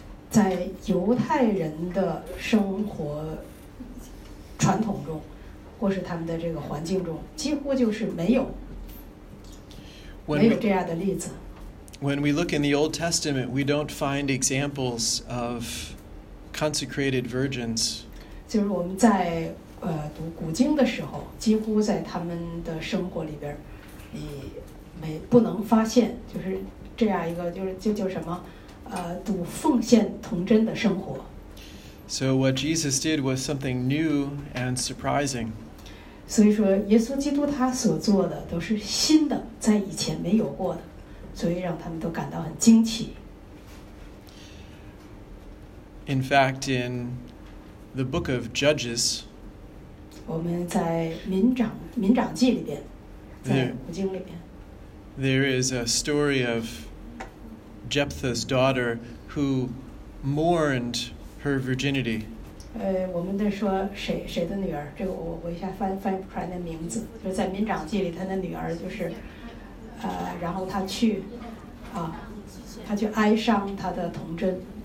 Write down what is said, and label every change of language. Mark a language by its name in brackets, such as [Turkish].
[Chinese] 在犹太人的生活传统中，或是他们的这个环境中，几乎就是没有这样的例子。 [English] When we look in the Old Testament, we don't find examples of consecrated virgins. [Chinese] 就是我们在读古经的时候，几乎在他们的生活里边，你不能发现就是这样一个就什么，读奉献童真的生活。 [English] So what Jesus did was something new and surprising. [Chinese] 所以说，耶稣基督他所做的都是新的，在以前没有过的，所以让他们都感到很惊奇。 [English] In fact, in the book of Judges. [Chinese] 我们在民长记里边，在古经里边 [English] there is a story of Jephthah's daughter who mourned her virginity. [Chinese] 我们在说谁的女儿？这个我一下翻不出来那名字。就是在民长记里，他的女儿就是，然后他去哀伤他的童真。